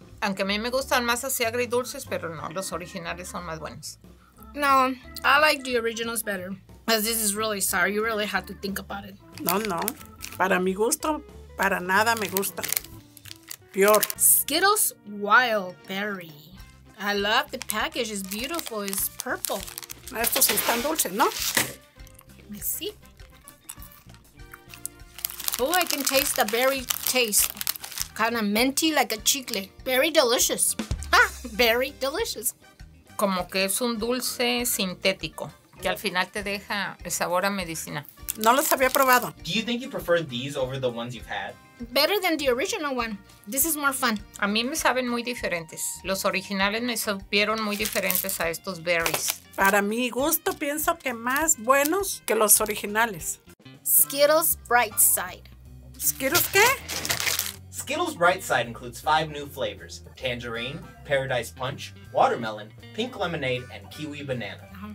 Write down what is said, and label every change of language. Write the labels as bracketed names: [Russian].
[Spanish] Aunque a mí me gustan más así agridulces, pero no, los originales son más buenos. [English] No, I like the originals better. Because this is really sour, you really have to think about it. [Spanish] No, no. Para mi gusto, para nada me gusta. Peor. [English] Skittles Wild Berry. I love the package, it's beautiful, it's purple. [Spanish] Estos sí están dulces, ¿no? Sí. [English] Oh, I can taste the berry taste. Kind of minty like a chicle. Very delicious. Ah, very delicious. [Spanish] Como que es un dulce sintético que al final te deja el sabor a medicina. No los había probado. [English] Do you think you prefer these over the ones you've had? Better than the original one. This is more fun. [Spanish] A mí me saben muy diferentes. Los originales me supieron muy diferentes a estos berries. Para mi gusto, pienso que más buenos que los originales. [English] Skittles Bright Side. [Spanish] ¿Skittles qué? [English] Skittles Bright Side includes 5 new flavors: tangerine, paradise punch, watermelon, pink lemonade, and kiwi banana.